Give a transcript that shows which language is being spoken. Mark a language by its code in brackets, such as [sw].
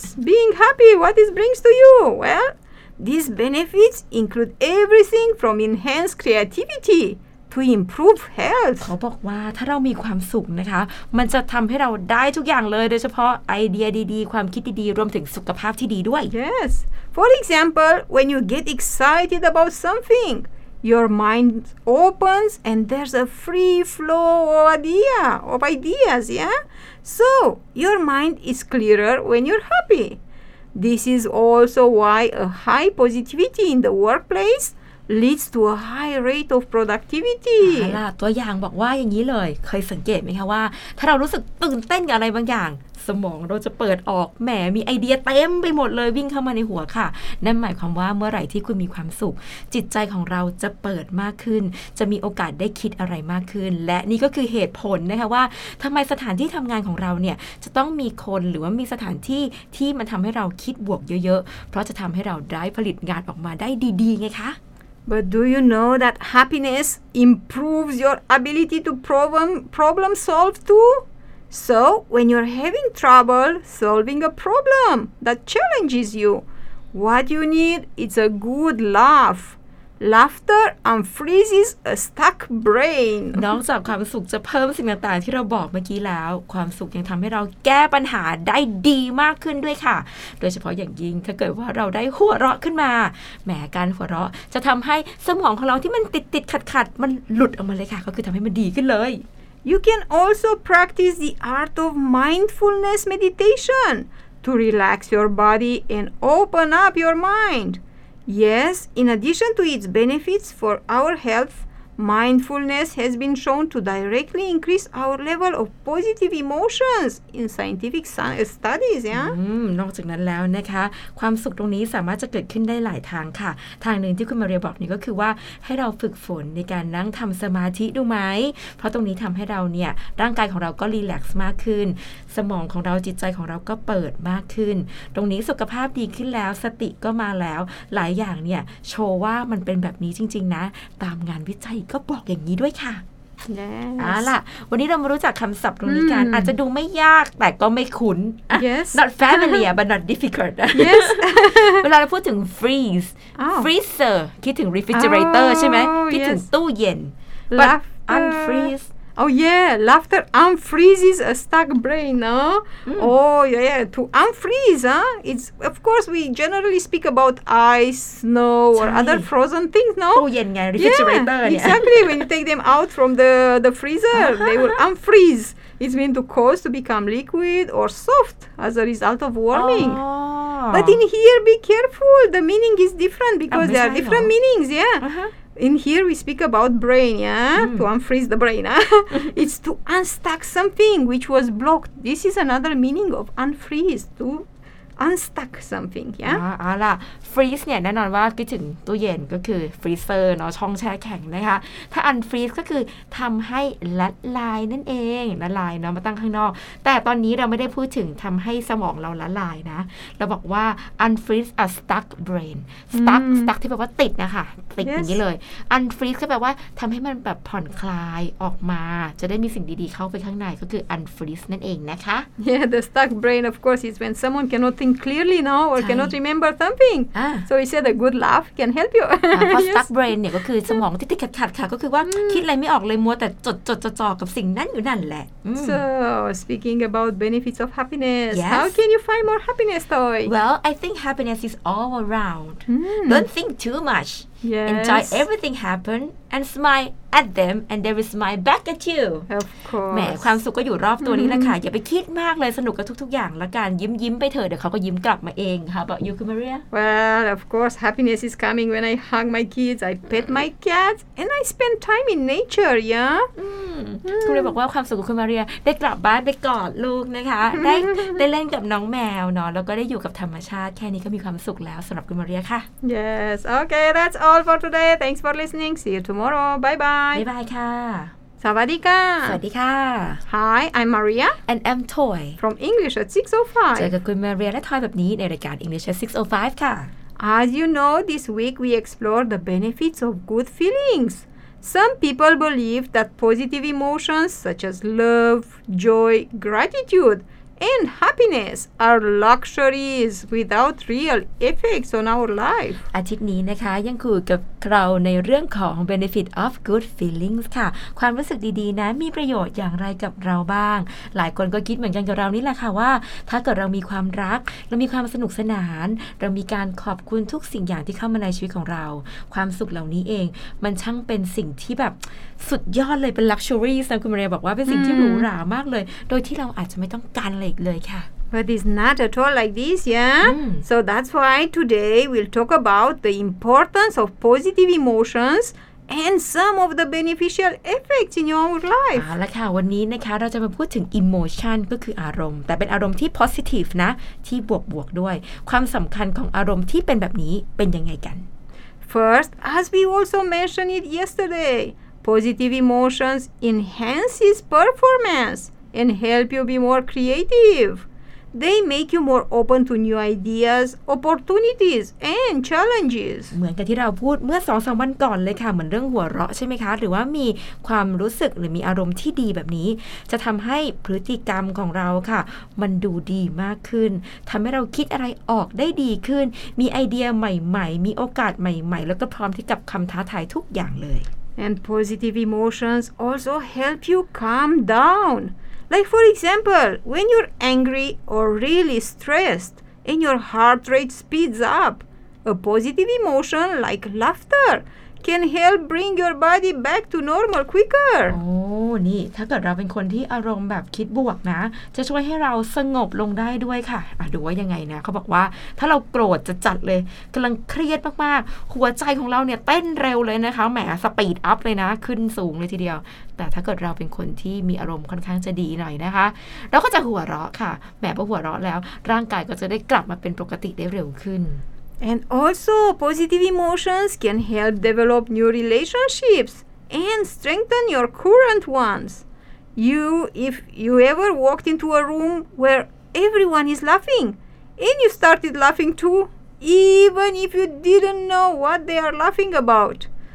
[en] Yes, being happy, what it brings to you? Well, these benefits include everything from enhanced creativityTo improve health [th] เขาบอกว่าถ้าเรามีความสุขนะคะมันจะทำให้เราได้ทุกอย่างเลยโดยเฉพาะไอเดียดีๆความคิดดีๆรวมถึงสุขภาพที่ดีด้วย [en] Yes For example when you get excited about something your mind opens and there's a free flow of ideas yeah So your mind is clearer when you're happy This is also why a high positivity in the workplaceleads to a high rate of productivity [th] ค่ะตัวอย่างบอกว่าอย่างนี้เลยเคยสังเกตไหมคะว่าถ้าเรารู้สึกตื่นเต้นกับอะไรบางอย่างสมองเราจะเปิดออกแหมมีไอเดียเต็มไปหมดเลยวิ่งเข้ามาในหัวค่ะนั่นหมายความว่าเมื่อไหร่ที่คุณมีความสุขจิตใจของเราจะเปิดมากขึ้นจะมีโอกาสได้คิดอะไรมากขึ้นและนี่ก็คือเหตุผลนะคะว่าทำไมสถานที่ทำงานของเราเนี่ยจะต้องมีคนหรือว่ามีสถานที่ที่มันทำให้เราคิดบวกเยอะๆเพราะจะทำให้เราได้ผลิตงานออกมาได้ดีๆไงคะ [en] But do you know that happiness improves your ability to problem solve too? So, when you're having trouble solving a problem that challenges you, what you need is a good laugh. Laughter unfreezes a stuck brain. [th] นอกจากความสุขจะเพิ่มสิ่งต่างๆที่เราบอกเมื่อกี้แล้วความสุขยังทำให้เราแก้ปัญหาได้ดีมากขึ้นด้วยค่ะโดยเฉพาะอย่างยิ่งถ้าเกิดว่าเราได้หัวเราะขึ้นมาแหมการหัวเราะจะทำให้สมองของเราที่มันติดๆขัดๆมันหลุดออกมาเลยค่ะก็คือทำให้มันดีขึ้นเลย [en] You can also practice the art of mindfulness meditation to relax your body and open up your mind. Yes, in addition to its benefits for our health, mindfulness has been shown to directly increase our level of positive emotions in scientific studies, yeah? [th] นอกจากนั้นแล้วนะคะความสุขตรงนี้สามารถจะเกิดขึ้นได้หลายทางค่ะทางหนึ่งที่คุณมาเรียบอกนี่ก็คือว่าให้เราฝึกฝนในการนั่งทำสมาธิดูไหมเพราะตรงนี้ทำให้เราเนี่ยร่างกายของเราก็รีแลกซ์มากขึ้นสมองของเราจิตใจของเราก็เปิดมากขึ้นตรงนี้สุขภาพดีขึ้นแล้วสติก็มาแล้วหลายอย่างเนี่ยโชว์ว่ามันเป็นแบบนี้จริงๆนะตามงานวิจัยก็บอกอย่างนี้ด้วยค่ะ [en] Yes [th] เอาล่ะวันนี้เรามารู้จักคำศัพท์ตรงนี้กันอาจจะดูไม่ยากแต่ก็ไม่คุ้น [en] Yes not familiar but not difficult Yes [th] เวลาเราพูดถึง freeze freezer คิดถึง refrigerator ใช่ไหมคิดถึงตู้เย็น [en] but unfreeze Oh yeah, laughter unfreezes a stuck brain, no? Mm. Oh yeah, yeah, to unfreeze, huh? It's, of course, we generally speak about ice, snow, or other frozen things, no? Oh yeah, yeah, refrigerator. Yeah, exactly, when you take them out from the freezer, uh-huh. they will unfreeze. It's meant to cause to become liquid or soft as a result of warming. Oh. But in here, be careful, the meaning is different because there are different meanings, yeah? Uh-huh. In here, we speak about brain, yeah? Mm. To unfreeze the brain, huh? It's to unstuck something which was blocked. This is another meaning of unfreeze, to unstuck something, yeah? [th] อ่าล่ะ freeze เนี่ยแน่นอนว่าคิดถึงตู้เย็นก็คือ freezer เนาะช่องแช่แข็งนะคะถ้า unfreeze ก็คือทำให้ละลายนั่นเองละลายเนาะมาตั้งข้างนอกแต่ตอนนี้เราไม่ได้พูดถึงทำให้สมองเราละลายนะเราบอกว่า [en] unfreeze a stuck brain [th] stuck mm. stuck ที่แปลว่าติดนะคะติด [en] yes. อ [th] ย่างนี้เลย unfreeze ก็แปลว่าทำให้มันแบบผ่อนคลายออกมาจะได้มีสิ่งดีๆเข้าไปข้างในก็คือ unfreeze นั่นเองนะคะ [en] yeah the stuck brain of course is when someone cannot thinkClearly, no, or cannot remember something. So we said a good laugh can help you. [th] Stuck brain เนี่ยก็คือสมองที่ติดขัดๆค่ะก็คือว่าคิดอะไรไม่ออกเลยมัวแต่จดๆจ่อๆกับสิ่งนั้นอยู่นั่นแหละ [en] So speaking about benefits of happiness, yes. how can you find more happiness, Toy? Well, I think happiness is all around. Mm. Don't think too much. Yes. Enjoy everything happen and smile at them and they will smile back at you. Of course. [th] แหมความสุขก็อยู่รอบตัวนี้แหละค่ะอย่าไปคิดมากเลยสนุกกับทุกๆอย่างแล้วกันยิ้มๆไปเถอะเดี๋ยวเขาก็ยิ้มกลับมาเองค่ะ [en] But you, Maria? Well, of course, happiness is coming when I hug my kids, I pet my cats, and I spend time in nature, yeah? [th] คุณเลยบอกว่าความสุขของคุณมาเรียได้กลับบ้านไปกอดลูกนะคะได้เล่นกับน้องแมวเนาะแล้วก็ได้อยู่กับธรรมชาติแค่นี้ก็มีความสุขแล้วสำหรับคุณมาเรียค่ะ [en] Yes, okay, that's all for today. Thanks for listening. See you tomorrow. Bye-bye. Bye-bye, ค่ะ [th] สวัสดีค่ะ สวัสดีค่ะ [en] Hi, I'm Maria and I'm Toy from English at 605. [th] เจอกับคุณมาเรียและ Toy แบบนี้ในรายการ English at 605ค่ะ [en] As you know, this week we explore the benefits of good feelings. Some people believe that positive emotions such as love, joy, gratitude, and happiness are luxuries without real effects on our life. [th] อาทิตย์นี้นะคะยังคุยกับเราในเรื่องของ [en] benefit of good feelings [th] ค่ะความรู้สึกดีๆนะมีประโยชน์อย่างไรกับเราบ้างหลายคนก็คิดเหมือนกันกับเรานี่แหละค่ะว่าถ้าเกิดเรามีความรักเรามีความสนุกสนานเรามีการขอบคุณทุกสิ่งอย่างที่เข้ามาในชีวิตของเราความสุขเหล่านี้เองมันช่างเป็นสิ่งที่แบบสุดยอดเลยเป็น luxuries นะคุณมาเรียบอกว่าเป็นสิ่งที่หรูหรามากเลยโดยที่เราอาจจะไม่ต้องการเลยเลยค่ะ [en] But it's not at all like this, yeah? So that's why today we'll talk about the importance of positive emotions and some of the beneficial effects in your life. [th] แล้วค่ะวันนี้นะคะเราจะมาพูดถึง emotion ก็คืออารมณ์แต่เป็นอารมณ์ที่ positive นะที่บวกๆด้วยความสำคัญของอารมณ์ที่เป็นแบบนี้เป็นยังไงกัน [en] First, as we also mentioned it yesterday, positive emotions enhances performanceAnd help you be more creative. They make you more open to new ideas, opportunities, and challenges. [th] เหมือนกับที่เราพูดเมื่อ 2-3 วันก่อนเลยค่ะเหมือนเรื่องหัวเราะใช่ไหมคะหรือว่ามีความรู้สึกหรือมีอารมณ์ที่ดีแบบนี้จะทำให้พฤติกรรมของเราค่ะมันดูดีมากขึ้นทำให้เราคิดอะไรออกได้ดีขึ้นมีไอเดียใหม่ๆมีโอกาสใหม่ๆแล้วก็พร้อมที่กับคำท้าทายทุกอย่างเลย [en] And positive emotions also help you calm down. Like for example, when you're angry or really stressed and your heart rate speeds up, a positive emotion like laughter can help bring your body back to normal quicker. [th] Oh, นี่ถ้าเกิดเราเป็นคนที่อารมณ์แบบคิดบวกนะจะช่วยให้เราสงบลงได้ด้วยค่ะดูว่ายังไงนะเขาบอกว่าถ้าเราโกรธจะจัดเลยกำลังเครียดมากๆหัวใจของเราเนี่ยเต้นเร็วเลยนะคะแหมสปีดอัพเลยนะขึ้นสูงเลยทีเดียวแต่ถ้าเกิดเราเป็นคนที่มีอารมณ์ค่อนข้างจะดีหน่อยนะคะเราก็จะหัวเราะค่ะแหมพอหัวเราะแล้วร่างกายก็จะได้กลับมาเป็นปกติได้เร็วขึ้น [en] And also, positive emotions can help develop new relationships and strengthen your current ones. If you ever walked into a room where everyone is laughing, and you started laughing too, even if you didn't know what they are laughing about.